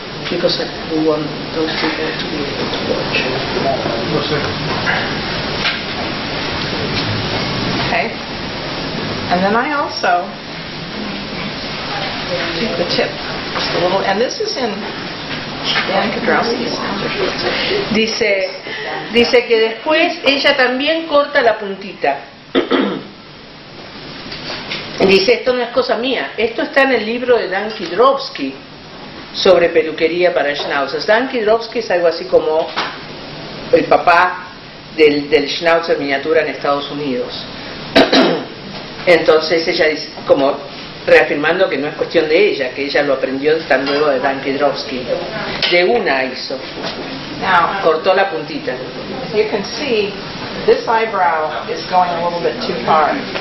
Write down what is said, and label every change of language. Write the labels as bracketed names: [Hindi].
[English] Because I want those people to be able to watch. No, sir. Okay. And then I also take the tip just a little, and this is in Dan Kodrowski's. [Spanish] Dice que después ella también corta la puntita. Dice, esto no es cosa mía. Esto está en el libro de Dan Kodrowski sobre peluquería para schnauzers. Dan Kodrowski es algo así como el papá del schnauzer miniatura en Estados Unidos. Entonces ella dice, como reafirmando que no es cuestión de ella, que ella lo aprendió tan luego de Dan Kodrowski. De una hizo. [English] Now, [Spanish] cortó la puntita. [English] You can see this eyebrow is going a little bit too far.